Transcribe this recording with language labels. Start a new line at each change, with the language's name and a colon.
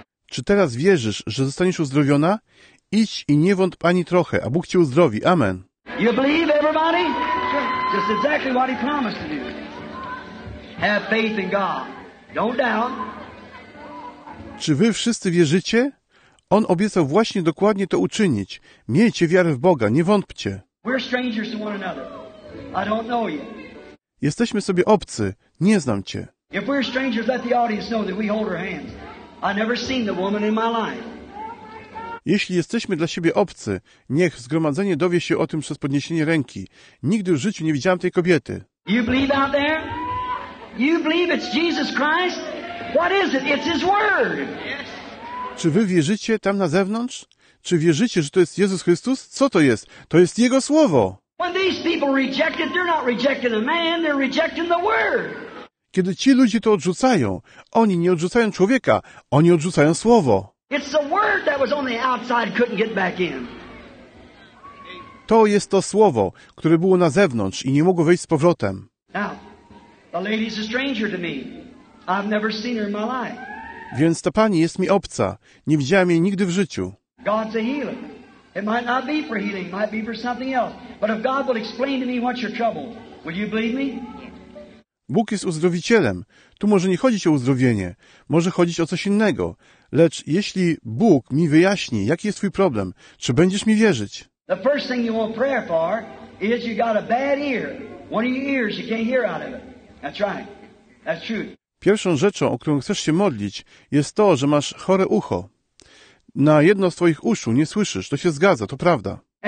Polish: Czy teraz wierzysz, że zostaniesz uzdrowiona? Idź i nie wątp ani trochę, a Bóg cię uzdrowi. Amen.
English: You believe, everybody? That's exactly what he promised to do. Have faith in God. Don't doubt.
Polish: Czy wy wszyscy wierzycie? On obiecał właśnie dokładnie to uczynić. Miejcie wiarę w Boga, nie wątpcie.
English: We're strangers to one another. I don't know you.
Polish: Jesteśmy sobie obcy. Nie znam cię.
English: If we're strangers, let the audience know that we hold our hands. I've never seen the woman in my life.
Polish: Jeśli jesteśmy dla siebie obcy, niech zgromadzenie dowie się o tym przez podniesienie ręki. Nigdy w życiu nie widziałam tej kobiety.
English: You believe out there? You believe it's Jesus Christ? What is it? It's his word.
Polish: Czy wy wierzycie tam na zewnątrz? Czy wierzycie, że to jest Jezus Chrystus? Co to jest? To jest Jego Słowo.
English: When these people reject it, they're not rejecting the man, they're rejecting the word.
Polish: Kiedy ci ludzie to odrzucają, oni nie odrzucają człowieka, oni odrzucają Słowo.
English: It's the word that was on the outside, couldn't get back in.
Polish: To jest to Słowo, które było na zewnątrz i nie mogło wejść z powrotem.
English: Now, the lady's a stranger to me. I've never seen her in my life.
Polish: Więc ta pani jest mi obca. Nie widziałem jej nigdy w życiu.
English: God's a healer. It might not be for healing, it might be for something else. But if God will explain to me what's your trouble, will you believe me?
Polish: Bóg jest uzdrowicielem. Tu może nie chodzić o uzdrowienie. Może chodzić o coś innego. Lecz jeśli Bóg mi wyjaśni, jaki jest twój problem, czy będziesz mi wierzyć?
English: The first thing you want prayer for is you got a bad ear. One of your ears you can't hear out of it. That's right. That's true.
Polish: Pierwszą rzeczą, o którą chcesz się modlić, jest to, że masz chore ucho. Na jedno z twoich uszu nie słyszysz. To się zgadza, to prawda.